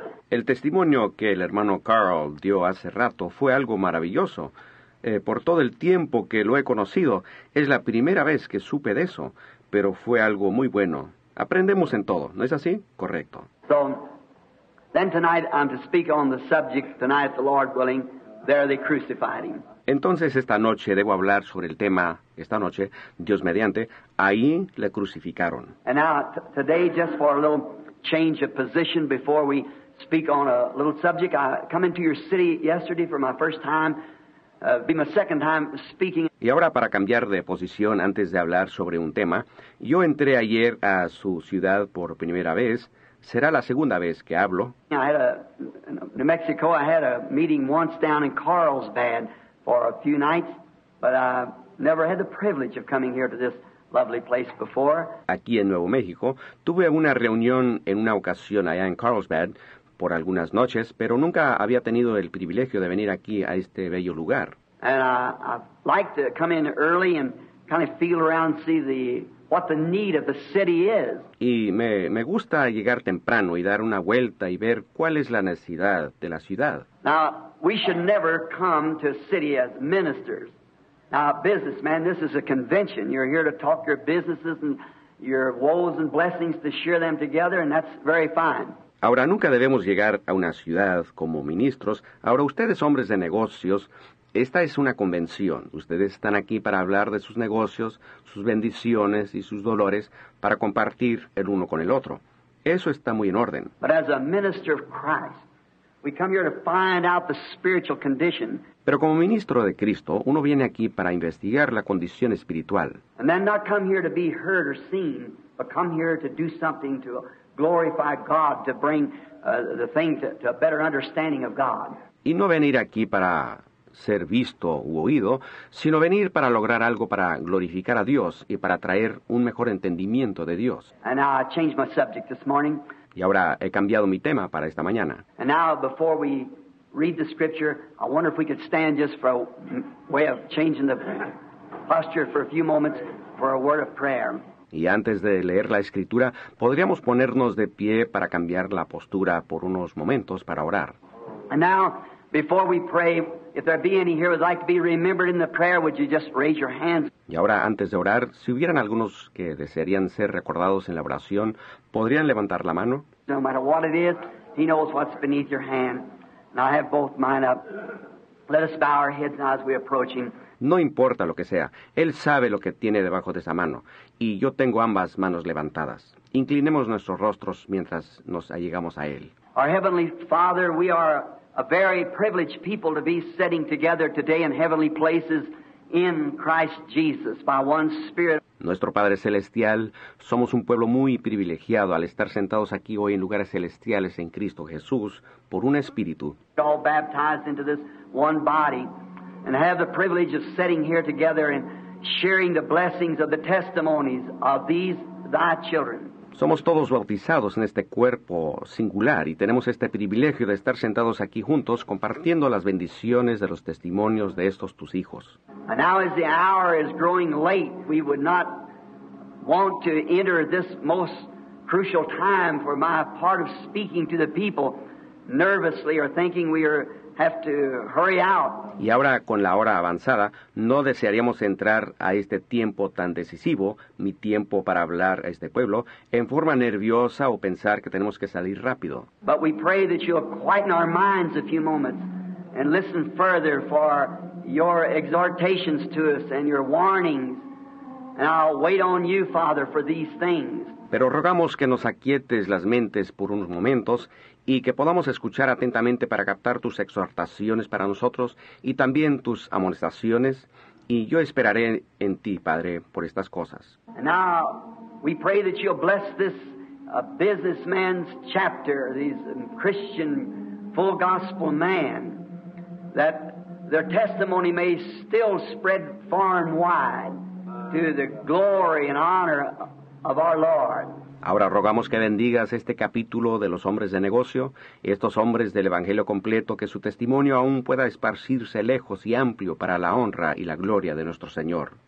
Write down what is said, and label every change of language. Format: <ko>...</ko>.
<es>El testimonio que el hermano Carl dio hace rato fue algo maravilloso. Por todo el tiempo que lo he conocido, es la primera vez que supe de eso, pero fue algo muy bueno. Aprendemos en todo, ¿no es así? Correcto.</es> <en>So, then tonight I'm to speak on the subject, tonight the Lord willing, there they crucified him.</en> <es>Entonces esta noche debo hablar sobre el tema, esta noche, Dios mediante, ahí le crucificaron.</es> <en>And now, today, just for a little change of position before we speak on a little subject, I come into your city yesterday for my first time, be my second time speaking.</en> <es>Y ahora para cambiar de posición antes de hablar sobre un tema, yo entré ayer a su ciudad por primera vez, será la segunda vez que hablo.</es> <en>I had in New Mexico, I had a meeting once down in Carlsbad for a few nights, but I never had the privilege of coming here to this lovely place before.</en> <es>Aquí en Nuevo México, tuve una reunión en una ocasión allá en Carlsbad por algunas noches, pero nunca había tenido el privilegio de venir aquí a este bello lugar.</es> <en>And I like to come in early and kind of feel around, see the what the need of the city is.</en> <es>Y me gusta llegar temprano y dar una vuelta y ver cuál es la necesidad de la ciudad.</es> <en>Now, we should never come to a city as ministers. Now, businessman, this is a convention. You're here to talk your businesses and your woes and blessings, to share them together, and that's very fine.</en> <es>Ahora, nunca debemos llegar a una ciudad como ministros. Ahora, ustedes, hombres de negocios, esta es una convención. Ustedes están aquí para hablar de sus negocios, sus bendiciones y sus dolores, para compartir el uno con el otro. Eso está muy en orden.</es> <en>But as a minister of Christ, we come here to find out the spiritual condition.</en> <es>Pero como ministro de Cristo, uno viene aquí para investigar la condición espiritual.</es> <en>And then not come here to be heard or seen, but come here to do something to glorify God, to bring the thing to a better understanding of God.</en> <es>Y no venir aquí para ser visto u oído, sino venir para lograr algo para glorificar a Dios y para traer un mejor entendimiento de Dios.</es> <en>And now I changed my subject this morning.</en> <es>Y ahora he cambiado mi tema para esta mañana.</es> <en>And now before we read the scripture, I wonder if we could stand just for a way of changing the posture for a few moments for a word of prayer.</en> <es>Y antes de leer la Escritura, podríamos ponernos de pie para cambiar la postura por unos momentos para orar.</es> <en>And now, before we pray, if there be any here who would like to be remembered in the prayer, would you just raise your hands?</en> <es>Y ahora, antes de orar, si hubieran algunos que desearían ser recordados en la oración, ¿podrían levantar la mano?</es> <en>No matter what it is, he knows what's beneath your hand. And I have both mine up. Let us bow our heads now as we approach him.</en> <es>No importa lo que sea, él sabe lo que tiene debajo de esa mano, y yo tengo ambas manos levantadas. Inclinemos nuestros rostros mientras nos allegamos a él.</es> <en>Our Heavenly Father, we are a very privileged people to be sitting together today in heavenly places in Christ Jesus by one Spirit.</en> <es>Nuestro Padre Celestial, somos un pueblo muy privilegiado al estar sentados aquí hoy en lugares celestiales en Cristo Jesús por un Espíritu.</es> <en>All baptized into this one body. And have the privilege of sitting here together and sharing the blessings of the testimonies of these thy children.</en> <es>Somos todos bautizados en este cuerpo singular y tenemos este privilegio de estar sentados aquí juntos compartiendo las bendiciones de los testimonios de estos tus hijos.</es> <en>And now as the hour is growing late, we would not want to enter this most crucial time for my part of speaking to the people nervously or thinking we are have to hurry out.</en> <es>Y ahora, con la hora avanzada, no desearíamos entrar a este tiempo tan decisivo, mi tiempo para hablar a este pueblo, en forma nerviosa o pensar que tenemos que salir rápido.</es> <en>But we pray that you'll quieten our minds a few moments and listen further for your exhortations to us and your warnings. And I'll wait on you, Father, for these things.</en> <es>Pero rogamos que nos aquietes las mentes por unos momentos y que podamos escuchar atentamente para captar tus exhortaciones para nosotros y también tus amonestaciones. Y yo esperaré en ti, Padre, por estas cosas.</es> <en>And now we pray that you'll bless this businessman's chapter, this Christian full gospel man, that their testimony may still spread far and wide to the glory and honor of our Lord.</en> <es>Ahora rogamos que bendigas este capítulo de los hombres de negocio y estos hombres del Evangelio completo, que su testimonio aún pueda esparcirse lejos y amplio para la honra y la gloria de nuestro Señor.</es>